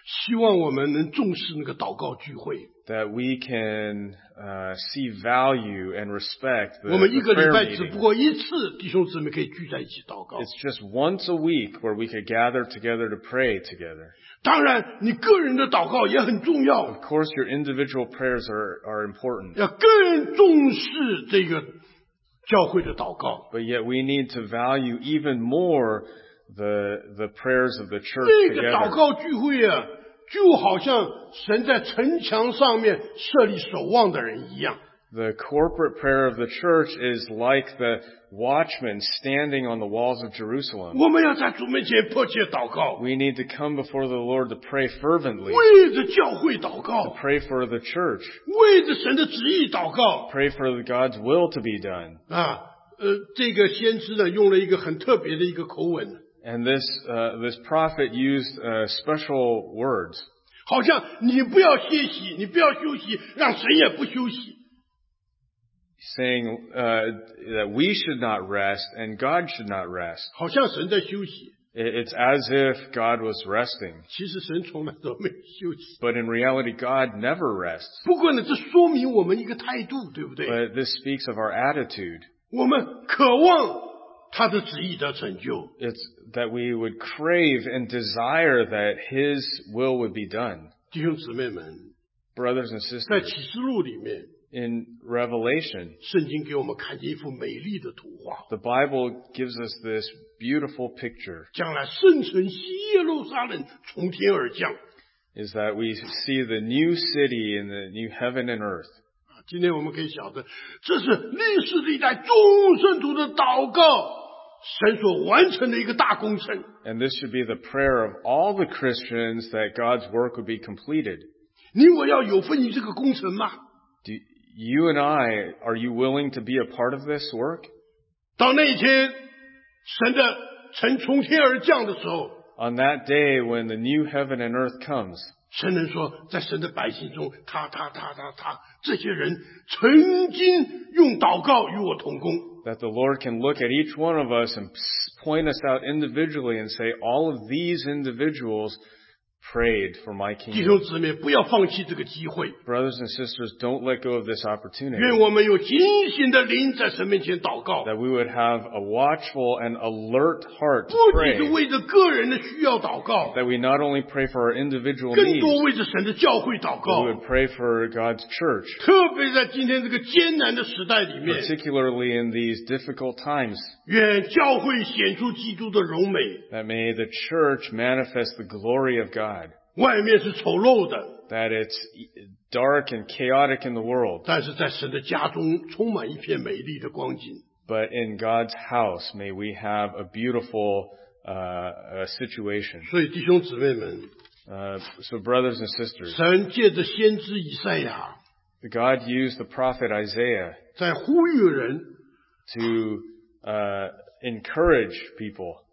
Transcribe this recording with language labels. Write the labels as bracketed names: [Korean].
[Chinese] 希望我们能重视那个祷告聚会。 [English] That we can, see value and respect the, [Chinese] 我们一个礼拜只不过一次弟兄姊妹可以聚在一起祷告。 [English] It's just once a week where we could gather together to pray together. [Chinese] 当然你个人的祷告也很重要。 [English] Of course, your individual prayers are important. [Chinese] 要更重视这个教会的祷告。 [English] But yet we need to value even more the prayers of the church together. [Chinese] 这个祷告聚会啊，就好像神在城墙上面设立守望的人一样。 [English] The corporate prayer of the church is like the watchman standing on the walls of Jerusalem. [Chinese] 我们要在主面前迫切祷告。 [English] We need to come before the Lord to pray fervently. [Chinese] 为着教会祷告。 [English] To pray for the church. [Chinese] 为着神的旨意祷告。 [English] Pray for God's will to be done. [Chinese] 啊，这个先知呢，用了一个很特别的一个口吻。 [English] And this prophet used special words. [Chinese] 好像你不要歇息，你不要休息，让谁也不休息。 [English] Saying that we should not rest and God should not rest. [Chinese] 好像神在休息。 [English] It's as if God was resting. [Chinese] 其实神从来都没休息。 [English] But in reality, God never rests. [Chinese] 不过呢，这说明我们一个态度，对不对？ [English] But this speaks of our attitude. [Chinese] 我们渴望他的旨意的成就。 [English] It's that we would crave and desire that His will would be done. [Chinese] 弟兄姊妹们， [English] Brothers and sisters, [Chinese] 在启示录里面， [English] In Revelation, [Chinese] 圣经给我们看见一幅美丽的图画。 [English] The Bible gives us this beautiful picture. [Chinese] 将来圣城西耶路撒冷从天而降。 [English] Is that we see the new city in the new heaven and earth. [Chinese] 今天我们可以晓得，这是历史历代众圣徒的祷告，神所完成的一个大工程。 [English] And this should be the prayer of all the Christians that God's work would be completed. [Chinese] 你我要有份于这个工程吗？ [English] You and I, are you willing to be a part of this work? [Chinese] 到那一天，神的城从天而降的时候， [English] On that day when the new heaven and earth comes, [Chinese] 神人说，在神的百姓中，他，这些人曾经用祷告与我同工。 [English] That the Lord can look at each one of us and point us out individually and say, all of these individuals prayed for my kingdom. [Chinese] 弟兄姊妹，不要放弃这个机会。 [English] Brothers and sisters, don't let go of this opportunity. [Chinese] 愿我们有警醒的灵在神面前祷告。 [English] That we would have a watchful and alert heart to pray. [Chinese] 不仅是为着个人的需要祷告。 [English] That we not only pray for our individual needs. [Chinese] 更多为着神的教会祷告。 [English] We would pray for God's church. [Chinese] 特别在今天这个艰难的时代里面。 [English] Particularly in these difficult times. [Chinese] 愿教会显出基督的荣美。 [English] That may the church manifest the glory of God. [Chinese] 外面是丑陋的， [English] that it's dark and chaotic in the world. [Chinese] 但是在神的家中充满一片美丽的光景。 [English] But in God's house, may we have a beautiful situation. [Chinese] 所以弟兄姊妹们， [English] so brothers and sisters, [Chinese] 神借着先知以赛亚， [English] God used the prophet Isaiah [Chinese] 在呼吁人， [English] to encourage people.